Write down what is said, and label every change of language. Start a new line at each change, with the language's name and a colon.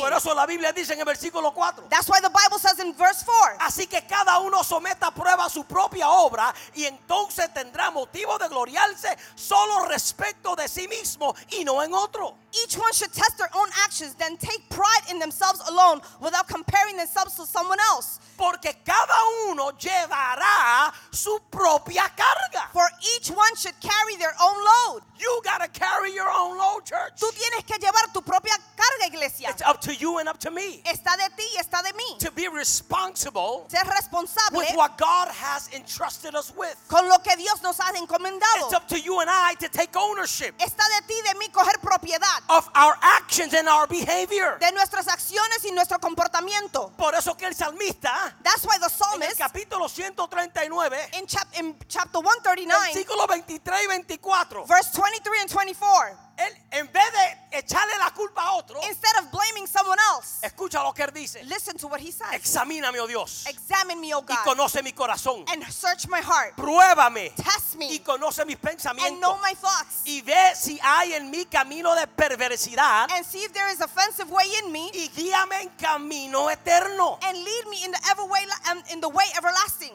Spanish: Por eso la Biblia dice en el versículo 4.
English: That's why the Bible says in verse 4.
Spanish: Así que cada uno someta a prueba su propia obra y entonces tendrá motivo de gloriarse solo respecto de sí mismo y no en otro.
English: Each one should test their own actions, then take pride in themselves alone without comparing themselves to someone else.
Spanish: Porque cada uno llevará su propia carga.
English: For each one should carry their own load. You gotta carry your own load, church.
Spanish: Tú tienes que llevar tu propia carga, iglesia.
English: It's up to you and up to me.
Spanish: Está de ti y está de mí.
English: To be responsible.
Spanish: Ser responsable.
English: With what God has entrusted us with.
Spanish: Con lo que Dios nos ha encomendado.
English: It's up to you and I to take ownership.
Spanish: Está de ti y de mí coger propiedad.
English: Of our actions and our behavior.
Spanish: De nuestras acciones y nuestro comportamiento. Por eso que el salmista.
English: That's why the psalmist,
Spanish: en el capítulo 139,
English: in chapter 139,
Spanish: versículo 23 y 24,
English: verse 23 and 24,
Spanish: él, en vez de echarle la culpa a otro,
English: instead of blaming someone else,
Spanish: escucha lo que él dice,
English: listen to what he says,
Spanish: examíname, oh Dios,
English: examine me, oh God,
Spanish: y conoce mi corazón,
English: and search my heart,
Spanish: pruébame,
English: test me,
Spanish: y conoce mis pensamientos,
English: and know my thoughts,
Spanish: y ve si hay en mí camino de perversidad,
English: and see if there is offensive way in me,
Spanish: y guíame en camino eterno,
English: and lead me in the ever way, in the way everlasting.